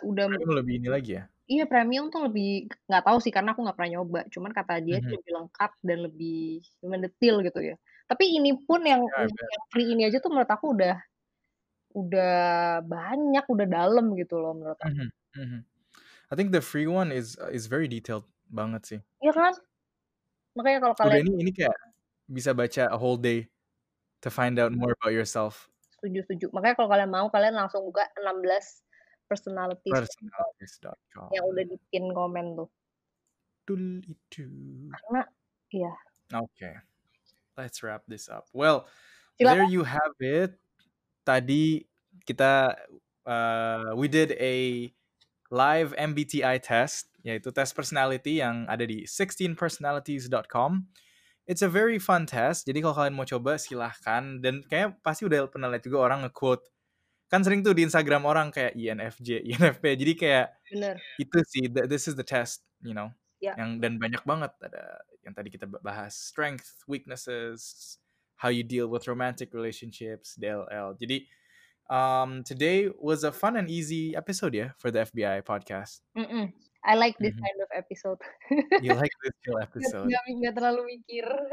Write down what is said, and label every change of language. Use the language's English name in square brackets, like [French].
[Indonesian] premium lebih ini lagi ya? Iya, premium tuh lebih, nggak tahu sih karena aku nggak pernah nyoba. Cuman kata dia lebih lengkap dan lebih mendetail gitu ya. Tapi ini pun yang free ini aja tuh menurut aku udah banyak, udah dalam gitu loh menurut aku. [English] I think the free one is very detailed [Indonesian] banget sih. Iya kan? Makanya kalau kalian ini kayak bisa baca [English] a whole day to find out more about yourself. [Indonesian] Setuju. Makanya kalau kalian mau, kalian langsung buka 16personalities.com yang udah dipin komen tuh. Dul itu. Karena iya. [English] Okay. Let's wrap this up. Well, [Indonesian] silakan. [English] There you have it. [Indonesian] Tadi kita [English] we did a live MBTI test, [Indonesian] yaitu test personality yang ada di [English] 16personalities.com. It's a very fun test, [Indonesian] jadi kalau kalian mau coba silahkan. Dan kayaknya pasti udah pernah lihat juga orang nge-quote. Kan sering tuh di Instagram orang kayak INFJ, INFP. Jadi kayak itu sih, [English] this is the test, you know. Yeah. [Indonesian] Yang, dan banyak banget ada yang tadi kita bahas. [English] Strength, weaknesses, how you deal with romantic relationships, DLL. [Indonesian] Jadi [English] today was a fun and easy episode, yeah, for the FBI podcast. I like this kind of episode. You like this kind of episode. [Indonesian] Gak terlalu mikir.